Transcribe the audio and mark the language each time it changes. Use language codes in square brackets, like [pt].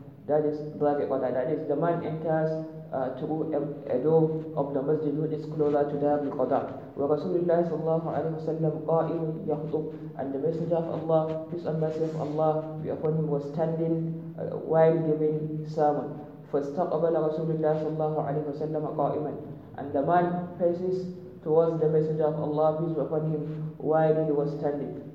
[en] That is Dab al-Qadا. That is, the man enters through a door of the masjid which is closer to Dab al-Qadا. [ar] Wa Rasulullah sallallahu alayhi wa sallam qa'im yakhutub, [en] and the Messenger of Allah, peace and mercy of Allah be upon him, was standing while giving sermon. [ar] فاستقبل رسول الله صلى الله عليه وسلم قائما. [en] And the man faces towards the Messenger of Allah, peace be upon him, while he was standing.